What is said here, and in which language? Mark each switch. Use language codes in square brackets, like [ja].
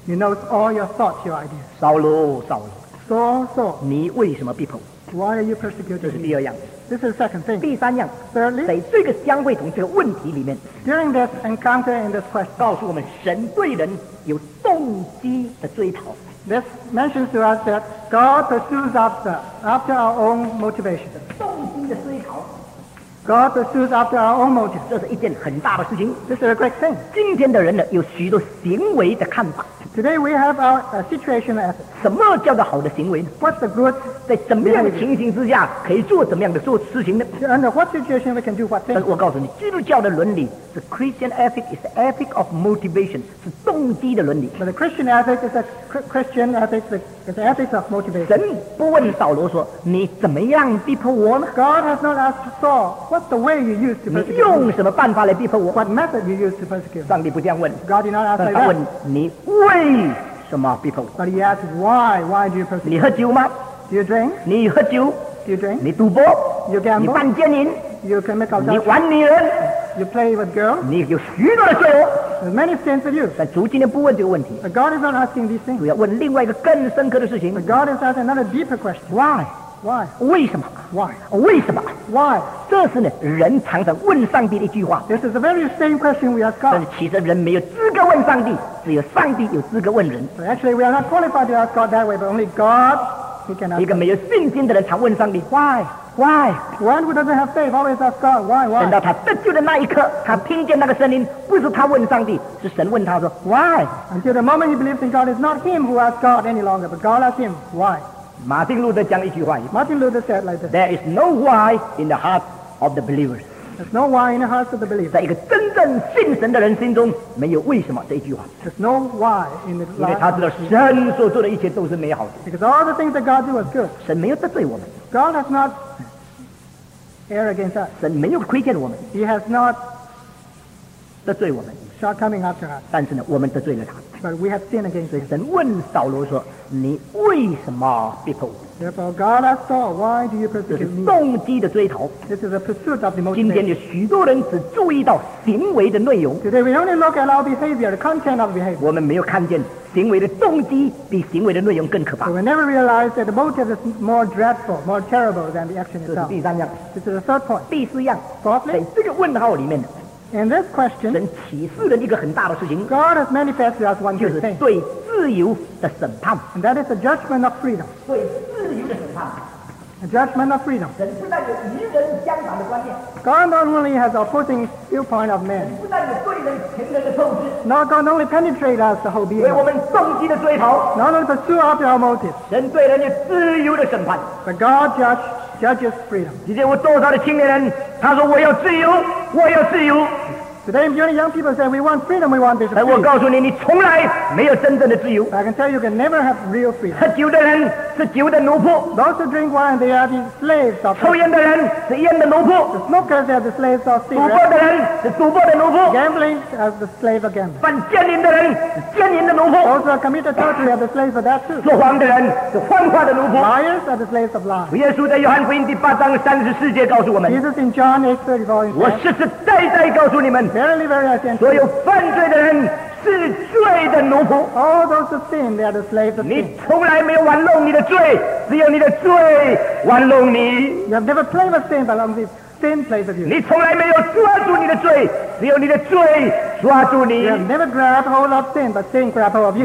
[en] He knows all your thoughts, your ideas. [zh] 扫罗，扫罗。 [en] Saul. [zh] 你为什么逼迫我 [en] ？Why are you persecuting? [zh] 这是第二样。 [en] This is the second thing. [zh] 第三样。 [en] Thirdly. [zh] 在这个相会同这个问题里面 [en] ，During this encounter and this question, [zh] 告诉我们神对人有动机的追讨。 [en] This mentions to us that God pursues after our own motivation. [zh] 动机的追讨。 [en] God pursues after our own motives. [zh] 这是一件很大的事情。 [en] This is a great thing. [zh] 今天的人呢，有许多行为的看法。 [en] Today we have our situation as [zh] 什么叫做好的行为呢 [en] ？What's the good? [zh] 在怎么样的情形之下可以做怎么样的做事情呢 [en] ？Under what situation we can do what thing? [zh] 但是我告诉你，基督教的伦理 ， [en] the Christian ethic is the ethic of motivation， [zh] 是动机的伦理。 [en] But the Christian ethic is the Christian ethic is the ethic of motivation. [zh] 神不问扫罗说你怎么样逼迫我呢 [en] ？God has not asked Saul what's the way you use to persecute. [zh] 你用什么办法来逼迫我 [en] ？What method you use to persecute? [zh] 上帝不这样问。 [en] God did not ask like that. [zh] 他问你为什么逼迫我 [en] But he asked why do you persecute? [zh] 你喝酒吗 [en] Do you drink? [zh] 你喝酒 [en] Do you drink? [zh] 你赌博 [en] You gamble? [zh] 你犯奸淫 [en] You commit adultery? [zh] 你玩女人 [en] You play with girls? [zh] 你有许多的罪恶 [en] There's many sins with you. [zh] 但主今天不问这个问题 [en] But God is not asking these things. [zh] 主要问另外一个更深刻的事情 [en] But God is asking another deeper question. Why? Why? [zh] 为什么 [en] ？Why? [zh] 为什么 [en] ？Why? [zh] 这是呢，人常常问上帝的一句话。 [en] This is the very same question we ask God. [zh] 但是其实人没有资格问上帝，只有上帝有资格问人。 [en] But actually, we are not qualified to ask God that way, but only God who can ask. [zh] 一个没有信心的人常问上帝 [en] ，Why? Why? One who doesn't have faith always ask God why? Why? [zh] 等到他得救的那一刻，他听见那个声音，不是他问上帝，是神问他说 ，Why? [en] Until the moment he believes in God, it's not him who asks God any longer, but God asks him why. [zh] 马丁路德讲一句话 [en] Martin Luther said like this There is no why in the heart of the believers There's no why in the heart of the believers [zh] 在一个真正信神的人心中没有为什么这一句话 [en] There's no why in the heart [zh] 因为他知道神所做的一切都是美好的 [en] Because all the things that God do is good [zh] 神没有得罪我们 [en] God has not erred against us [zh] 神没有亏欠我们 [en] He has not [zh] 得罪我们 [en] shortcoming after us [zh] 但是呢我们得罪了他 [en] But we have sinned against him. [zh] 神问扫罗说：“你为什么逼迫我 [en] ？”Therefore, God asked Saul, "Why do you persecute me?" [zh] 这是动机的追逃。 [en] This is a pursuit of the motive. [zh] 今天有许多人只注意到行为的内容。 [en] Today we only look at our behavior, the content of behavior. [zh] 我们没有看见行为的动机比行为的内容更可怕。 [en] We never realize that the motive is more dreadful, more terrible than the action itself. [zh] 这是第三样。 [en] This is the third point. [zh] 第四样。 [en] Fourthly, [zh] 在这个问号里面。 [en] In this question, [zh] 神启示了一个很大的事情 [en] God has manifested us one thing [zh] 就是对自由的审判 [en] And that is the judgment of freedom [zh] 对自由的审判 [en] The judgment of freedom [zh] 神不但有与人相反的观念 [en] God not only has opposing viewpoint of man [zh] 不但有对人情人的控制 [en] Not God only penetrate us the whole being [zh] 为我们动机的追逃 [en] Not only pursue after our motives [zh] 神对人有自由的审判 [en] But God judges freedom [zh] 今天我多少的青年人他说我要自由我要自由 [en] Today, many young people say, we want freedom, we want this freedom. [zh] 但我告诉你，你从来没有真正的自由。 [en] I can tell you, you can never have real freedom. [zh] 喝酒的人是酒的奴仆。 [en] Those who drink wine, they are the slaves of [zh] sin. 抽烟的人是烟的奴仆。 [en] The smokers, they are the slaves of sin. [zh] 赌博的人是赌博的奴仆。 [en] Gambling, are the slaves of gambling. [zh] 犯奸淫的人是奸淫的奴仆。 [en] Those who commit adultery, are the slaves of that too. [zh] 说谎的人是谎话的奴仆。 [en] Liars are the slaves of lies. [zh] 耶稣在约翰福音第八章三十四节告诉我们。 [en] Jesus in John 8:34 [zh] says, 我实实在在告诉你们。 [en] Verily, very identical. [zh] 所有犯罪的人是罪的奴仆。 [en] All those who sin, they are the slaves of sin. [zh] 你从来没有玩弄你的罪，只有你的罪玩弄你。 [en] You have never played with sin, but only sin plays with you. [zh] 你从来没有抓住你的罪，只有你的罪抓住你。 [en] You have never grabbed hold of sin, but sin grabbed hold of you.